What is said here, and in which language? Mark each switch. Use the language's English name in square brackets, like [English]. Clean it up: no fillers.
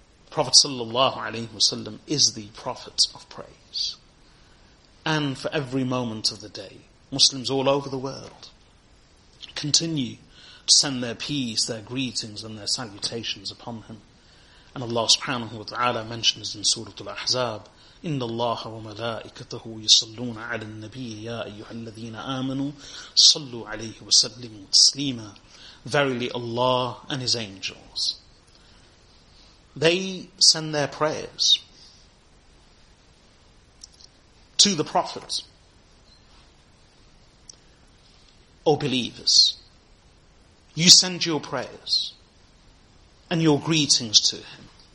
[English] Prophet sallallahu alaihi wasallam is the prophet of praise. And for every moment of the day, Muslims all over the world continue to send their peace, their greetings and their salutations upon him. And Allah subhanahu wa ta'ala mentions in Surah Al-Ahzab, [Arabic] إن الله وملائكته يصلون على النبي يا أيها الذين آمنوا صلوا عليه وسلموا تسليما. [English] Verily Allah and His angels, they send their prayers to the Prophet, O believers, you send your prayers and your greetings to him.